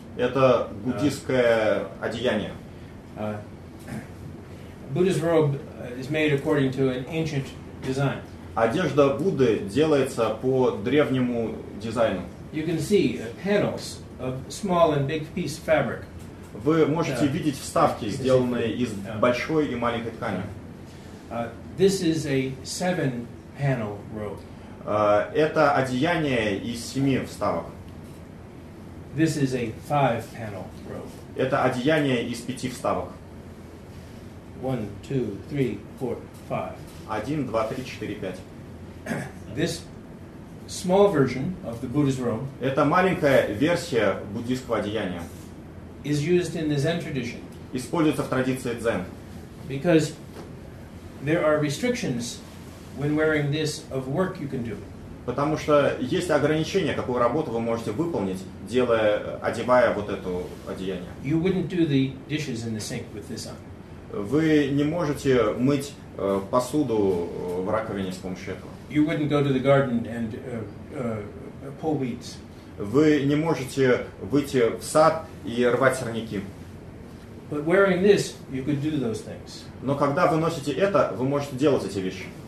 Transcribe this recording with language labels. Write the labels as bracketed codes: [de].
[ru] Это буддийское одеяние. [en] Buddha's robe is made according to an ancient design. [ru] Одежда Будды делается по древнему дизайну. [en] You can see panels of small and big piece fabric. [ru] Вы можете видеть вставки, сделанные из большой и маленькой ткани. [en] This is a 7-panel robe. [ru] Это одеяние из 7 вставок. [en] This is a 5-panel robe. [ru] Это одеяние из 5 вставок. [en] 1, 2, 3, 4, 5. [ru] 1, 2, 3, 4, 5. [en] This small version of the Buddha's robe. [ru] Это маленькая версия буддийского одеяния. [en] Is used in the Zen tradition. [ru] Используется в традиции дзен. [en] Because there are restrictions when wearing this of work you can do. [ru] Потому что есть ограничения, какую работу вы можете выполнить, делая, одевая вот это одеяние. [en] You wouldn't do the dishes in the sink with this on. [ru] Вы не можете мыть посуду в раковине с помощью этого. [en] You wouldn't go to the garden and pull weeds. [ru] Вы не можете выйти в сад и рвать сорняки. [en] But wearing this, you could do those things. [ru] Но когда вы носите это, вы можете делать эти вещи.